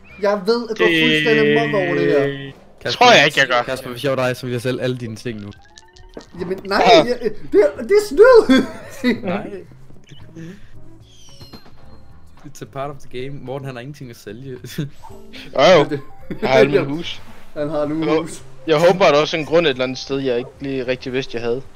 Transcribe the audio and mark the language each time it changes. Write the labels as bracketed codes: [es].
[da] Jeg ved, at du er fuldstændig mok over det her. Kasper, tror jeg ikke, jeg gør. Kasper, hvis jeg var dig, så vil jeg sælge alle dine ting nu. Jamen, nej, det er snyd! Nej. [en] It's a part of the game. [da] Morten, han har ingenting at sælge. Jo, jeg har alle mine hus. Han har nu hus. Jeg håber, der er også en grund et eller andet sted, jeg ikke lige rigtig vidste, jeg havde.